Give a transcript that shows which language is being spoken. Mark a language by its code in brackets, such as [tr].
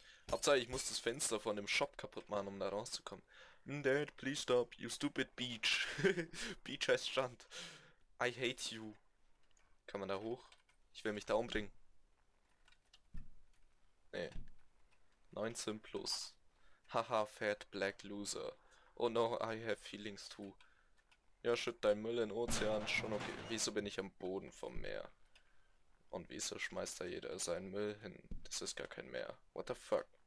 [de] Hauptsache, ich muss das Fenster von dem Shop kaputt machen, um da rauszukommen. [en] Dad, please stop, you stupid Beach. [de] Beach heißt Strand. [en] I hate you. [de] Kann man da hoch? Ich will mich da umbringen. [en] Nee. 19 plus. Haha, fat black loser. Oh no, I have feelings too. [de] Ja, schütt dein Müll in den Ozean. Schon okay. Wieso bin ich am Boden vom Meer? Und wieso schmeißt da jeder seinen Müll hin? Das ist gar kein Meer. [en] What the fuck?